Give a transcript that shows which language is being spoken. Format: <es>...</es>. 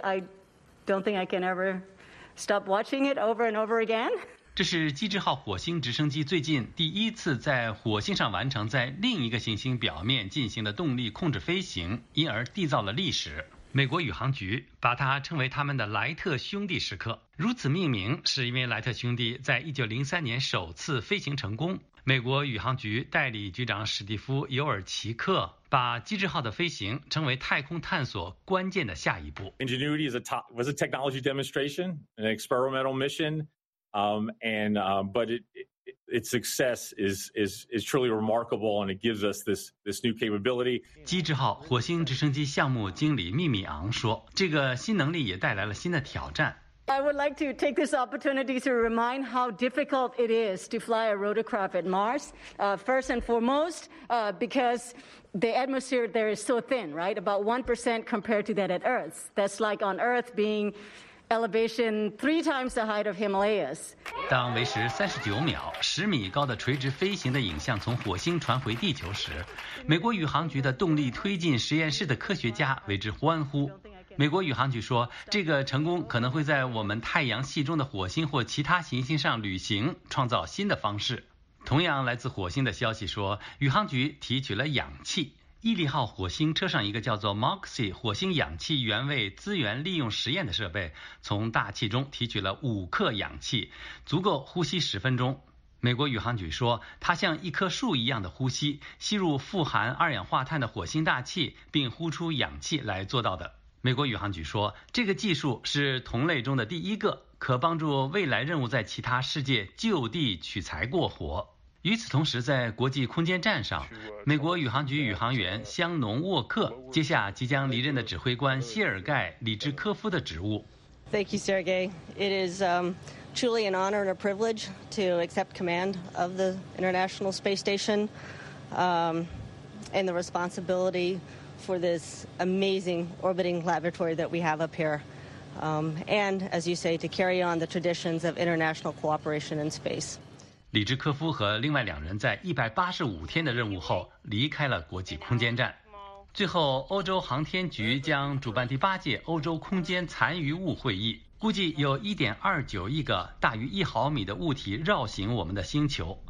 <en>I don't think I can ever stop watching it over and over again.</en> <zh>这是机智号火星直升机最近第一次在火星上完成在另一个行星表面进行的动力控制飞行，因而缔造了历史。美国宇航局把它称为他们的莱特兄弟时刻，如此命名是因为莱特兄弟在1903年首次飞行成功。美国宇航局代理局长史蒂夫·尤尔奇克把机智号的飞行称为太空探索关键的下一步。</zh> <en>Ingenuity was a technology demonstration, an experimental mission, but its success is truly remarkable, and it gives us this new capability.</en> <zh>机智号火星直升机项目经理秘密昂说，这个新能力也带来了新的挑战。</zh> <en>I would like to take this opportunity to remind how difficult it is to fly a rotorcraft at Mars. First and foremost, because the atmosphere there is so thin, right? About 1% compared to that at Earth. That's like on Earth being elevation 3 times the height of Himalayas.</en> <zh>当维持39秒、10米高的垂直飞行的影像从火星传回地球时，美国宇航局的动力推进实验室的科学家为之欢呼。美国宇航局说，这个成功可能会在我们太阳系中的火星或其他行星上旅行，创造新的方式。同样来自火星的消息说，宇航局提取了氧气。毅力号火星车上一个叫做 MOXIE 火星氧气原位资源利用实验的设备，从大气中提取了5克氧气，足够呼吸10分钟。美国宇航局说，它像一棵树一样的呼吸，吸入富含二氧化碳的火星大气，并呼出氧气来做到的。美国宇航局说，这个技术是同类中的第一个，可帮助未来任务在其他世界就地取材过活。与此同时，在国际空间站上，美国宇航局宇航员香农沃克接下即将离任的指挥官谢尔盖里兹科夫的职务。</zh> <en>Thank you, Sergey. It is truly an honor and a privilege to accept command of the International Space Station, and the responsibility. For this amazing orbiting laboratory that we have up here, and as you say, to carry on the traditions of international cooperation in space.</en> <zh>李志科夫和另外两人在185天的任务后离开了国际空间站。最后，欧洲航天局将主办第8届欧洲空间残余物会议，估计有1.29亿个大于1毫米的物体绕行我们的星球。</zh>